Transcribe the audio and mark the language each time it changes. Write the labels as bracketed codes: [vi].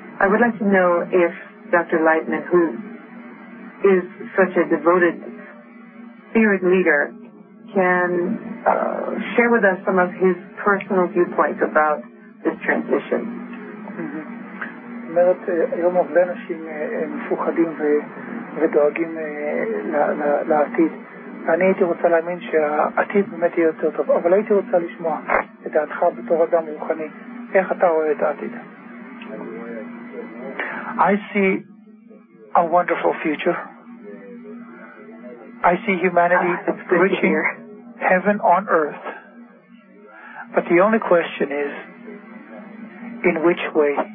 [en] I would like to know if Dr. Lightman, who is such a devoted spirit leader, can share with us some of his personal viewpoints about this transition. [he] אומרת, היום הרבה אנשים מפוחדים ודואגים לעתיד. אני הייתי רוצה להאמין שהעתיד באמת יהיה יותר טוב, אבל הייתי רוצה לשמוע את דעתך בתור אדם רוחני. איך אתה רואה את העתיד? [en] I see a wonderful future. I see humanity reaching heaven on earth. But the only question is, in which way?